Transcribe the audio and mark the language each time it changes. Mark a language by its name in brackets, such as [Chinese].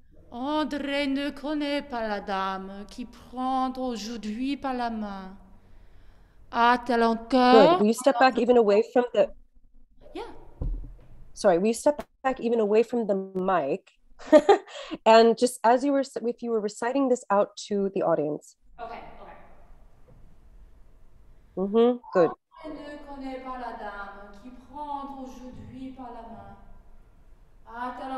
[French] André ne connaît pas la dame qui prend aujourd'hui par la main. A-t-elle [English] Good. [French] encore? [English] Will you step back even away from the, sorry, will you step back even away from the mic? And just as you were, if you were reciting this out to the audience. Good. [French] Ne connaît pas la dame qui prend aujourd'hui par la main.